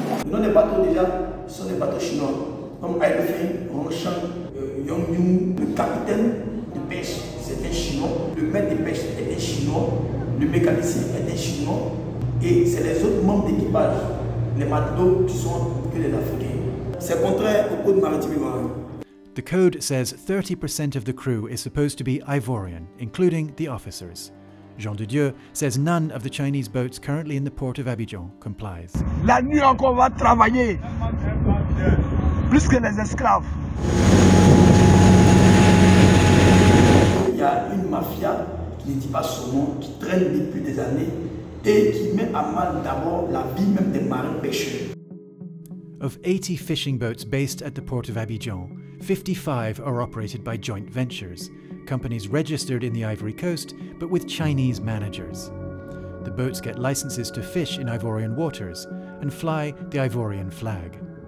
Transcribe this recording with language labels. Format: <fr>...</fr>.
<fr>Non, les bateaux déjà sont des bateaux chinois, comme Aïlfin, Rongshan, Yongyun. Le capitaine de pêche, c'est un chinois. Le maître de pêche est un chinois. Le mécanicien est un chinois. Et c'est les autres membres d'équipage, les matelots, qui sont que les Africains. C'est contraire au code maritime ivoirien.</fr> <en>The code says 30% of the crew is supposed to be Ivorian, including the officers. Jean de Dieu says none of the Chinese boats currently in the port of Abidjan complies.</en> <fr>La nuit encore on va travailler plus que les esclaves. Il y a une mafia qui ne dit pas son nom, qui traîne depuis des années et qui met à mal d'abord la vie même des marins pêcheurs.</fr> <en>Of 80 fishing boats based at the port of Abidjan, 55 are operated by joint ventures, companies registered in the Ivory Coast, but with Chinese managers. The boats get licenses to fish in Ivorian waters and fly the Ivorian flag.</en>